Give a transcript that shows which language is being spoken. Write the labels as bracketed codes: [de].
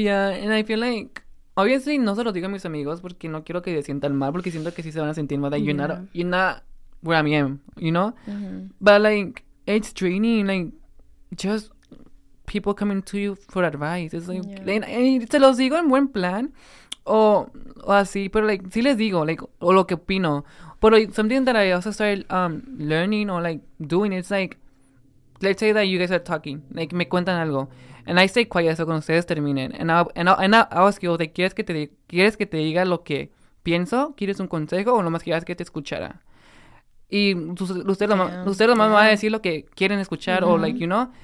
[en] yeah, and I feel like, obviously, [es] no se lo digo a mis amigos porque no quiero que se sientan mal, porque siento que sí se van a sentir mal. [en] You're not where I am, you know. Mm-hmm. But like, it's draining, like, just people coming to you for advice. It's like, and [es] se los digo en buen plan. O así, pero, like, sí les digo, like, o lo que opino. [en] But, like, something that I also started learning or, like, doing, it's, like, let's say that you guys are talking. Like, [es] me cuentan algo. [en] And I stay quiet, so [es] cuando ustedes terminen. [en] And I ask you, like, [es] ¿quieres que te diga lo que pienso? ¿Quieres un consejo? ¿O nomás quieres que te escuchara? Y ustedes van a decir lo que quieren escuchar, mm-hmm. o, [en] like, you know?